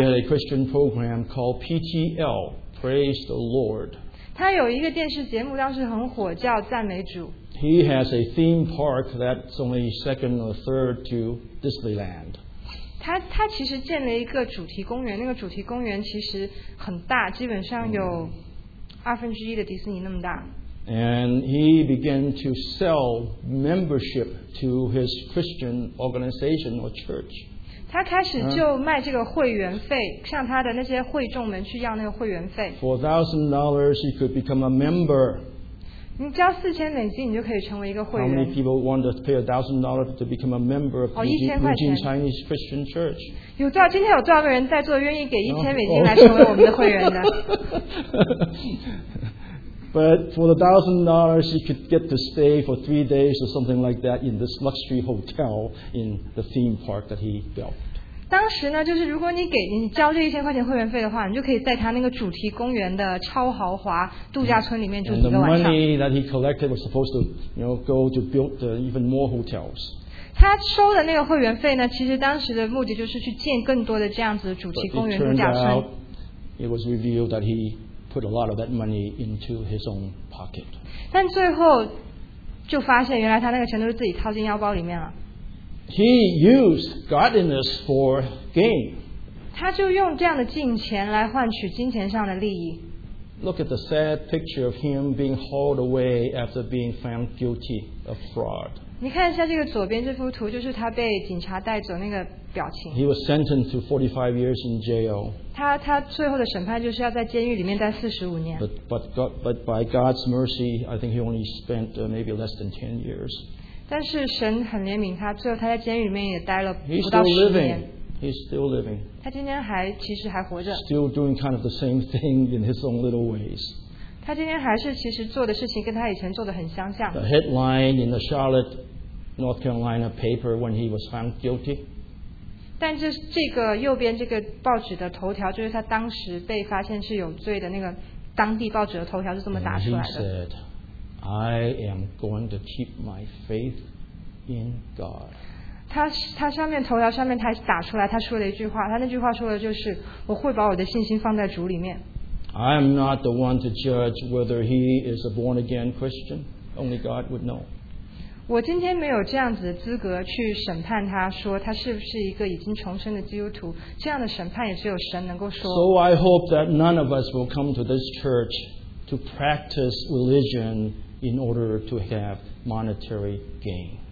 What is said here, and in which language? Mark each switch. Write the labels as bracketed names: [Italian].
[English] He had a Christian program called PTL, Praise the Lord. [Chinese] 他有一个电视节目当时很火，叫赞美主。 [English] He has a theme park that's only second or third to Disneyland. [Chinese] 他其实建了一个主题公园，那个主题公园其实很大，基本上有二分之一的迪士尼那么大。 [English] And he began to sell membership to his Christian organization or church. [Chinese] 他开始就卖这个会员费，向他的那些会众们去要那个会员费。 [English] For $1,000, he could become a member. [Chinese] 你交4000美金，你就可以成为一个会员。 [English] How many people want to pay $1,000 to become a member of Beijing Chinese Christian Church? [Chinese] 有多少？今天有多少个人在座愿意给1000美金来成为我们的会员的 [English] ？But for the $1,000, you could get to stay for 3 days or something like that in this luxury hotel in the theme park that he built. [Chinese] 当时呢，就是如果你给你交这一千块钱会员费的话，你就可以在他那个主题公园的超豪华度假村里面住一个晚上。 [English] And the money that he collected was supposed to, you know, go to build the even more hotels. [Chinese] 他收的那个会员费呢，其实当时的目的就是去建更多的这样子的主题公园度假村。 [English] But it turned out, it was revealed that he put a lot of that money into his own pocket. [Chinese] 但最后就发现，原来他那个钱都是自己掏进腰包里面了。 [English] He used godliness for gain. [Chinese] 他就用这样的金钱来换取金钱上的利益。 [English] Look at the sad picture of him being hauled away after being found guilty of fraud. [Chinese] 你看一下这个左边这幅图，就是他被警察带走那个表情。 [English] He was sentenced to 45 years in jail. [Chinese] 他最后的审判就是要在监狱里面待45年。 [English] But by God's mercy, I think he only spent maybe less than 10 years. [Chinese] 但是神很怜悯他，最后他在监狱里面也待了不到十年。 [English] He's still living. [Chinese] 他今天还其实还活着。 [English] Still doing kind of the same thing in his own little ways. [Chinese] 他今天还是其实做的事情跟他以前做的很相像。 [English] The headline in the Charlotte, North Carolina paper when he was found guilty. [Chinese] 但这个右边这个报纸的头条，就是他当时被发现是有罪的那个当地报纸的头条是这么打出来的。 [English] And he said,I am going to keep my faith in God. [Chinese] 他上面头条上面他打出来，他说了一句话，他那句话说的就是，我会把我的信心放在主里面。 [English] I am not the one to judge whether he is a born again Christian. Only God would know. [Chinese] 我今天没有这样子的资格去审判他，说他是不是一个已经重生的基督徒。这样的审判也只有神能够说。 [English] So I hope that none of us will come to this church to practice religion in order to have monetary gain.